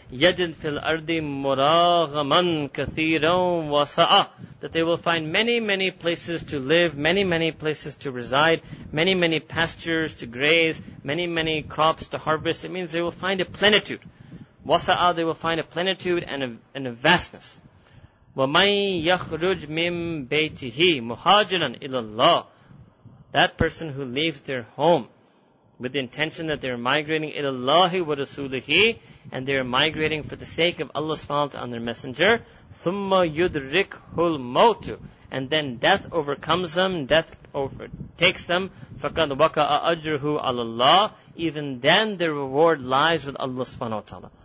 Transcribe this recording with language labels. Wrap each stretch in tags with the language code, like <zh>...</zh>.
<ar>يَجِدْ فِي الْأَرْضِ مُرَاغَمًا كَثِيرًا وَسَعًا.</ar> <en>That they will find many, many places to live, many, many places to reside, many, many pastures to graze, many, many crops to harvest. It means they will find a plenitude. وَسَعَ, they will find a plenitude and a vastness.</en> <ar>وَمَنْ يَخْرُجْ مِنْ بَيْتِهِ مُحَاجِرًا إِلَى اللَّهِ.</ar> <en>That person who leaves their home, with the intention that they are migrating</en> <ar>إِلَى اللَّهِ وَرَسُولِهِ,</ar> <en>and they are migrating for the sake of Allah subhanahu wa ta'ala and their messenger.</en> <ar>ثُمَّ يُدْرِكْهُ الْمَوْتُ,</ar> <en>and then death overcomes them, death overtakes them.</en> <ar>فَقَدْ وَقَعَ أَجْرُهُ عَلَى اللَّهِ,</ar> <en>even then their reward lies with Allah subhanahu wa ta'ala.</en>